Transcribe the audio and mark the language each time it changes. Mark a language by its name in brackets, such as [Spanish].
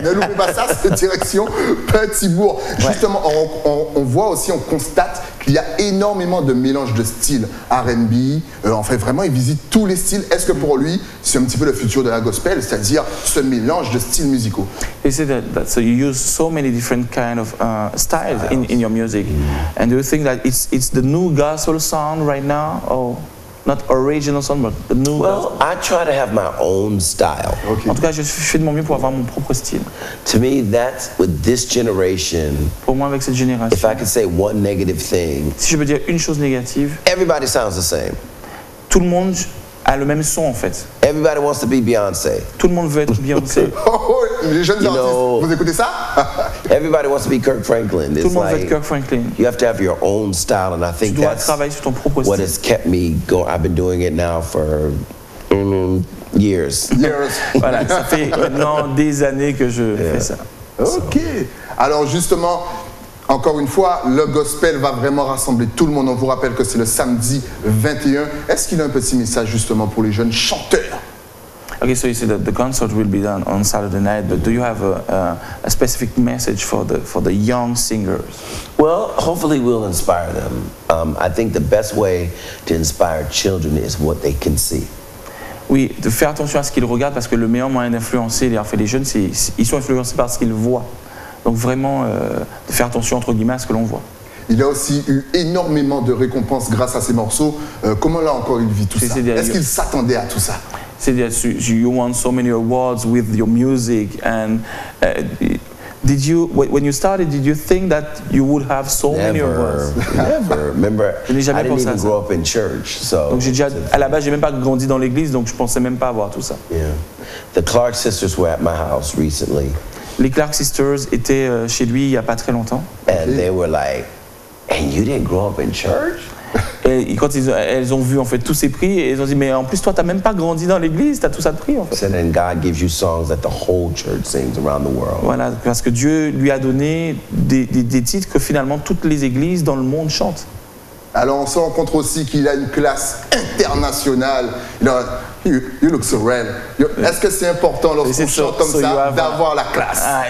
[French] Ne loupez pas ça, c'est direction Petit Bourg. Ouais. Justement, on voit aussi, on constate qu'il y a énormément de mélange de styles R&B. En fait, vraiment, il visite tous les styles. Est-ce que pour lui, c'est un petit peu le futur de la gospel, c'est-à-dire ce mélange de styles musicaux? [English] You see that so you use so many different kind of styles in your music. And do you think that it's the new gospel sound right now? Or not original song, but the new. Well, I try to have my own style. Okay. [French] En tout cas, je fais de mon mieux pour avoir mon propre style. [English] To me, that's with this generation. [French] Pour moi, avec cette génération. [English] If I could say one negative thing. [French] Si je peux dire une chose négative. [English] Everybody sounds the same. [French] Tout le monde a le même son, en fait. [English] Everybody wants to be Beyoncé. [French] Tout le monde veut être Beyoncé. Oh, les jeunes artistes, vous écoutez ça? [English] Everybody wants to be Kirk Franklin. [French] Tout le monde veut être Kirk Franklin. [English] You have to have your own style, and I think that's what has kept me going. I've been doing it now for years. Years. [French] Voilà, ça fait maintenant des années que je fais ça. OK. Alors, justement, encore une fois, le gospel va vraiment rassembler tout le monde. On vous rappelle que c'est le samedi 21. Est-ce qu'il a un petit message justement pour les jeunes chanteurs? [English] Okay, so you said that the concert will be done on Saturday night, but do you have a specific message for the young singers? Well, hopefully we'll inspire them. I think the best way to inspire children is what they can see. [French] Oui, de faire attention à ce qu'ils regardent parce que le meilleur moyen d'influencer les jeunes, c'est ils sont influencés par ce qu'ils voient. Donc vraiment, de faire attention entre guillemets à ce que l'on voit. Il a aussi eu énormément de récompenses grâce à ses morceaux. Comment là encore il vit tout ça? Est-ce qu'il s'attendait à tout ça? C'est-à-dire, [English] you won so many awards with your music and Did you, when you started, did you think that you would have so many of us? Never. Remember, I didn't even grow up in church, so. [French] Donc j'ai déjà, à la base, j'ai même pas grandi dans l'église, donc je pensais même pas avoir tout ça. Yeah. [English] The Clark sisters were at my house recently. [French] Les Clark sisters étaient chez lui il y a pas très longtemps. [English] And they were like, and you didn't grow up in church? [French] Et quand elles ont vu en fait tous ces prix, elles ont dit, mais en plus toi t'as même pas grandi dans l'église, t'as tout ça de prix en fait. [English] And God gives you songs that the whole church sings around the world. [French] Voilà, parce que Dieu lui a donné des titres que finalement toutes les églises dans le monde chantent. Alors on se rend compte aussi qu'il a une classe internationale. [English] You look so real. [French] Est-ce que c'est important lorsqu'on chante comme ça d'avoir la classe?